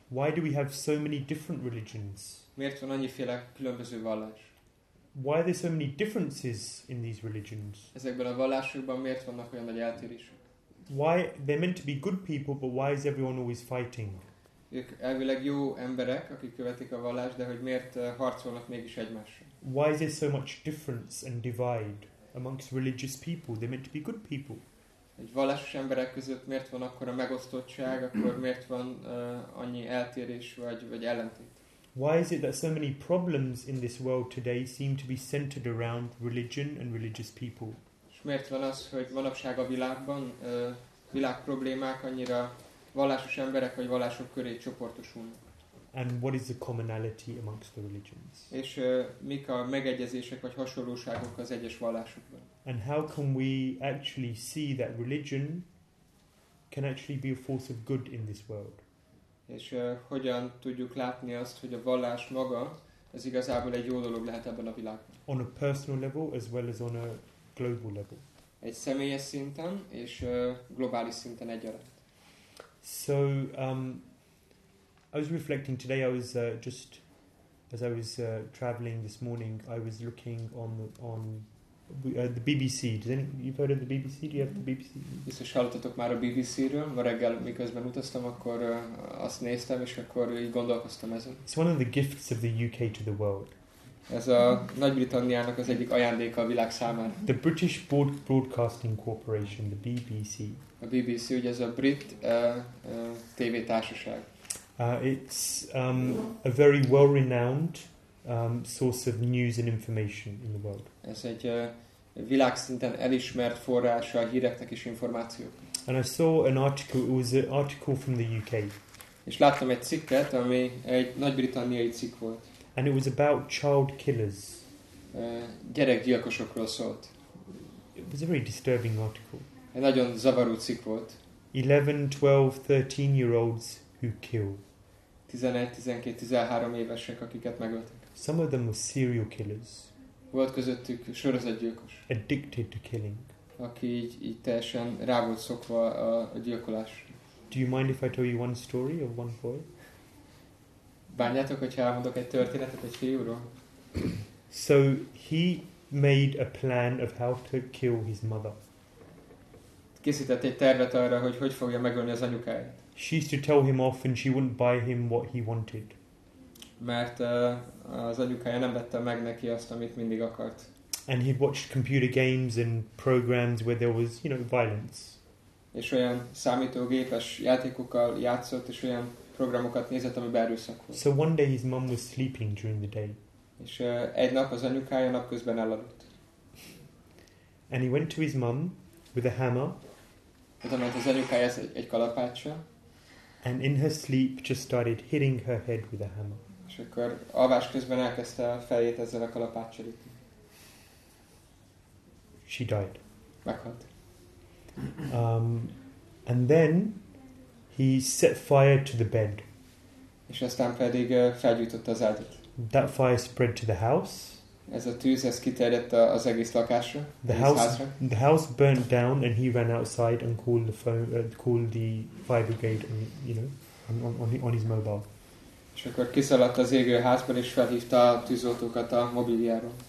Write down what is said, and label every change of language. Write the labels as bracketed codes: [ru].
[en] Why do we have so many different religions? [hu] Miért van annyiféle különböző vallás? [en] Why are there so many differences in these religions? [hu] Ezekben a vallásokban miért vannak olyan nagy eltérések? [en] Why they're meant to be good people, but why is everyone always fighting? [hu] Ők elvileg jó emberek, akik követik a vallást, de hogy miért harcolnak mégis egymással? [en] Why is there so much difference and divide amongst religious people? They're meant to be good people. [hu] Egy vallásos emberek között miért van akkor a megosztottság, akkor miért van annyi eltérés vagy ellentét? [en] Why is it that so many problems in this world today seem to be centered around religion and religious people? [hu] És miért van az, hogy manapság a világban világ problémák annyira vallásos emberek vagy vallások köré csoportosulnak? [en] And what is the commonality amongst the religions? [hu] És mik a megegyezések vagy hasonlóságok az egyes vallásokban? [en] And how can we actually see that religion can actually be a force of good in this world? [hu] És hogyan tudjuk látni azt, hogy a vallás maga ez igazából egy jó dolog lehet ebben a világban? [en] On a personal level as well as on a global level. [hu] Egy személyes szinten és globális szinten egyaránt. [en] So I was reflecting today. I was just as I was traveling this morning. I was looking on the BBC. You've heard of the BBC? Do you have the BBC? [hu] Biztos hallottatok már a BBC-ről. Ma reggel, miközben utaztam, akkor azt néztem, és akkor így gondolkoztam ezen. [en] It's one of the gifts of the UK to the world. [hu] Ez a Nagy-Britanniának az egyik ajándéka a világ számára. [en] The British Broadcasting Corporation, the BBC. [hu] A BBC, ugye ez a brit tévétársaság. [en] It's a very well-renowned source of news and information in the world. [hu] Ez egy világszinten elismert forrás a híreknek és információk. [en] And I saw an article. It was an article from the UK. [hu] És láttam egy cikket, ami egy nagy-britanniai cikk volt. [en] And it was about child killers. [hu] Gyerekgyilkosokról szólt. [en] It was a very disturbing article. [hu] Egy nagyon zavaró cikk volt. [en] 11, 12, 13-year-olds who kill. [hu] 11-12-13 évesek, akiket megöltek. [en] Some of them were serial killers. [hu] Volt közöttük sorozatgyilkos. [en] Addicted to killing. [hu] Aki így teljesen rá volt szokva a gyilkolás. [en] Do you mind if I tell you one story of one boy? [hu] Bánjátok, hogyha elmondok egy történetet egy fiúról? [en] So he made a plan of how to kill his mother. [hu] készített egy tervet arra, hogy hogy fogja megölni az anyukáját. [en] She used to tell him off and she wouldn't buy him what he wanted. [hu] Mert az anyukája nem vette meg neki azt, amit mindig akart. [en] And he'd watched computer games and programs where there was, you know, violence. [hu] És olyan számítógépes játékokkal játszott, és olyan programokat nézett, amiben erőszak volt. [en] So one day his mom was sleeping during the day. [hu] És egy nap az anyukája napközben elaludt. [en] And he went to his mom with a hammer. [hu] Oda ment az anyukája egy kalapáccsal. [en] And in her sleep just started hitting her head with a hammer. [hu] És akkor alvás közben elkezdte a fejét ezzel a kalapáccsal ütni. [en] She died. [hu] Meghalt. [en] And then he set fire to the bed. [hu] És aztán pedig felgyújtotta az ágyat. [en] That fire spread to the house. [hu] Ez a tűz, ez kiterjedt az egész lakásra. [en] The house burnt down and he ran outside and called the fire brigade on, you know, on his mobile. [hu] És akkor kiszaladt az égő házban és felhívta a tűzoltókat a mobiliáról.